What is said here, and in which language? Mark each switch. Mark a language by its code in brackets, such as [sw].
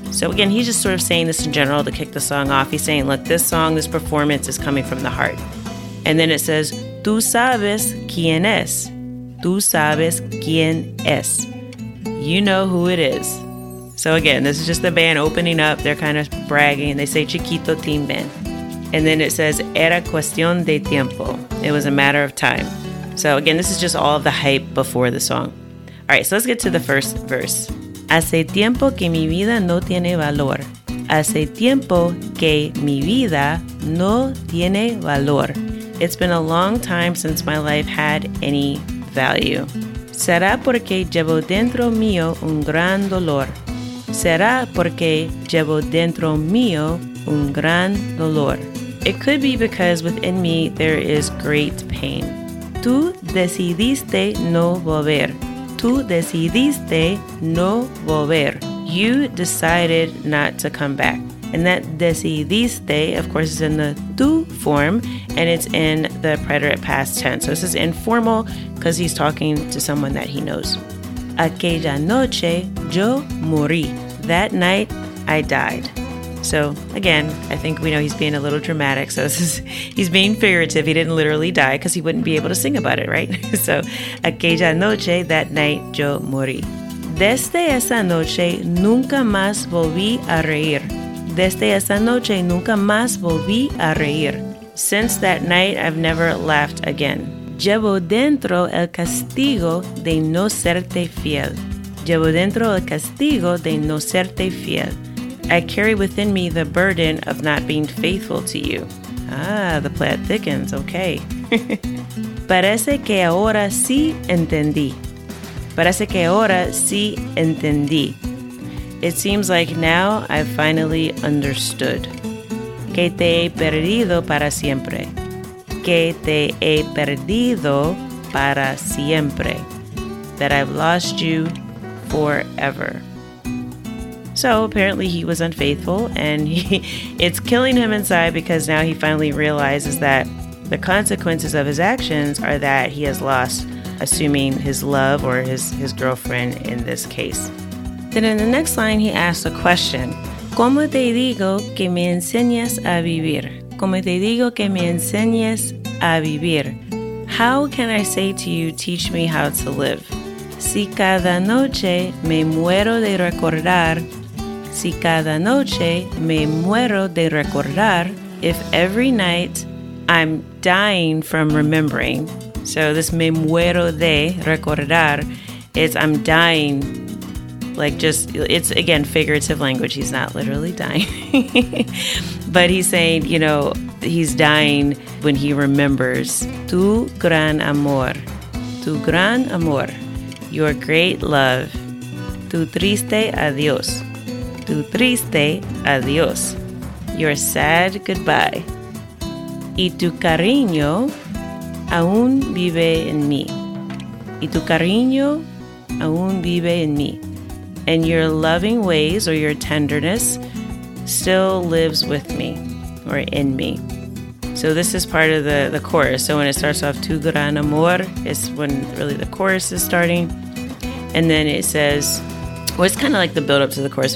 [en] So again, he's just sort of saying this in general to kick the song off. He's saying, look, this song, this performance is coming from the heart. And then it says, [es] tú sabes quién es. Tú sabes quién es. [en] You know who it is. So again, this is just the band opening up. They're kind of bragging. They say Chiquito Team Band. And then it says, [es] era cuestión de tiempo. [en] It was a matter of time. So again, this is just all of the hype before the song. All right, so let's get to the first verse. [es] Hace tiempo que mi vida no tiene valor. Hace tiempo que mi vida no tiene valor. [en] It's been a long time since my life had any value. [es] Será porque llevo dentro mío un gran dolor. Será porque llevo dentro mío un gran dolor. [en] It could be because within me there is great pain. [es] tú decidiste no volver. Tú decidiste no volver. [en] You decided not to come back. And that decidiste, of course, is in the tú form, and it's in the preterite past tense. So this is informal because he's talking to someone that he knows. [es] Aquella noche yo morí. [en] That night I died. So again, I think we know he's being a little dramatic. So this is, he's being figurative. He didn't literally die because he wouldn't be able to sing about it, right? [es] So aquella noche, [en] that night [es] yo morí. Desde esa noche nunca más volví a reír. Desde esa noche nunca más volví a reír. [en] Since that night, I've never laughed again. [es] Llevo dentro el castigo de no serte fiel. Llevo dentro el castigo de no serte fiel. [en] I carry within me the burden of not being faithful to you. Ah, the plot thickens, okay. [es] Parece que ahora sí entendí. Parece que ahora sí entendí. [en] It seems like now I finally understood. [es] Que te he perdido para siempre. Que te he perdido para siempre. [en] That I've lost you forever. So apparently he was unfaithful, and it's killing him inside because now he finally realizes that the consequences of his actions are that he has lost, assuming his love or his girlfriend in this case. Then in the next line, he asks a question. [es] ¿Cómo te digo que me enseñas a vivir? ¿Cómo te digo que me enseñas a vivir? [en] How can I say to you, teach me how to live? [es] Si cada noche me muero de recordar. Si cada noche me muero de recordar. [en] If every night I'm dying from remembering. So this [es] me muero de recordar [en] is I'm dying. Like just, it's again, figurative language. He's not literally dying. But he's saying, you know, he's dying when he remembers. [es] Tu gran amor. Tu gran amor. [en] Your great love. [es] Tu triste adiós. Tu triste adiós. [en] Your sad goodbye. [es] Y tu cariño aún vive en mí. Y tu cariño aún vive en mí. [en] And your loving ways or your tenderness still lives with me or in me. So this is part of the chorus. So when it starts off, [es] tu gran amor, [en] is when really the chorus is starting. And then it says, well, it's kind of like the build up to the chorus.